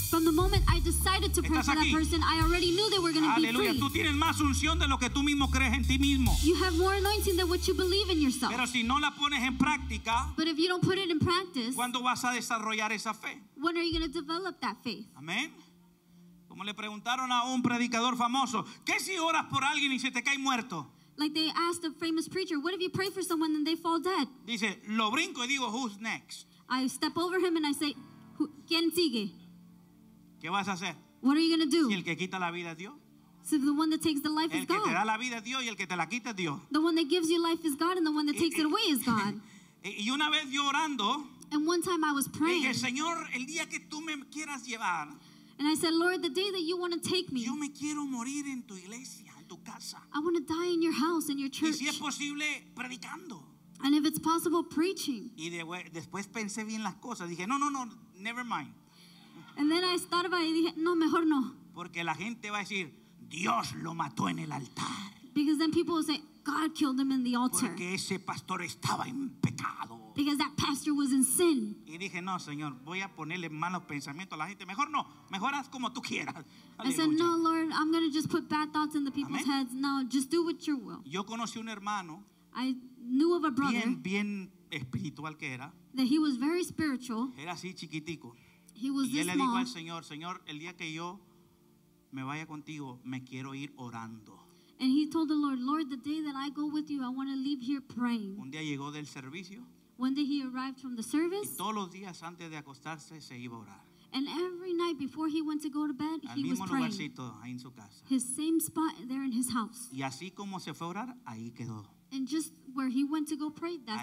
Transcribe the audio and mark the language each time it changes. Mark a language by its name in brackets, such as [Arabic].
[English] From the moment I decided to pray for that person, I already knew they were going to be free. [Spanish] Aleluya, tú tienes más unción de lo que tú mismo crees en ti mismo. [English] You have more anointing than what you believe in yourself. [Spanish] Pero si no la pones en práctica, [English] but if you don't put it in practice, [Spanish] ¿cuándo vas a desarrollar esa fe? [English] When are you going to develop that faith? [Spanish] Amén. Como le preguntaron a un predicador famoso, ¿qué si oras por alguien y se te cae muerto? [English] Like they asked a famous preacher, what if you pray for someone and they fall dead? [Spanish] Dice, lo brinco y digo, [English] who's next? I step over him and I say, [Spanish] ¿quién sigue? ¿Qué vas a hacer? [English] What are you going to do? [Spanish] Si el que quita la vida es Dios. [English] So the one that takes the life [Spanish] el El que te da la vida es Dios y el que te la quita es Dios. [English] The one that gives you life is God and the one that takes it away is God. [Spanish] Y una vez yo orando, [English] and one time I was praying, [Spanish] dije, Señor, el día que tú me quieras llevar, [English] and I said, Lord, the day that you want to take me, [Spanish] yo me quiero morir en tu iglesia, en tu casa. [English] I want to die in your house, in your church. [Spanish] Y si es posible, predicando. [English] And if it's possible, preaching. [Spanish] Y después pensé bien las cosas. Dije, no, [English] never mind. And then I thought about it. [Spanish] Dije, no, mejor no. Porque la gente va a decir, Dios lo mató en el altar. [English] Because then people will say, God killed him in the altar. [Spanish] Porque ese pastor estaba en pecado. [English] Because that pastor was in sin. [Spanish] Y dije, no, Señor, voy a ponerle malos pensamientos a la gente. Mejor no, mejor haz como tú quieras. [English] I said, no, Lord, I'm going to just put bad thoughts in the people's Amen. Heads. No, just do what your will. [Spanish] Yo conocí un hermano. [English] I knew of a brother. [Spanish] Bien espiritual que era. [English] That he was very spiritual. [Spanish] Era así chiquitico. [English] He was [Spanish] y [English] this small. [Spanish] Y él le dijo al Señor, Señor, el día que yo me vaya contigo, me quiero ir orando. [English] And he told the Lord, Lord, the day that I go with you, I want to leave here praying. [Spanish] Un día llegó del servicio. [English] One day he arrived from the service. [Spanish] Y todos los días antes de acostarse se iba a orar. [English] And every night before he went to go to bed, [Spanish] al [English] he was praying. [Spanish] Al mismo lugarcito, ahí en su casa. [English] His same spot there in his house. [Spanish] Y así como se fue a orar, ahí quedó. [English] And just where he went to go pray, that's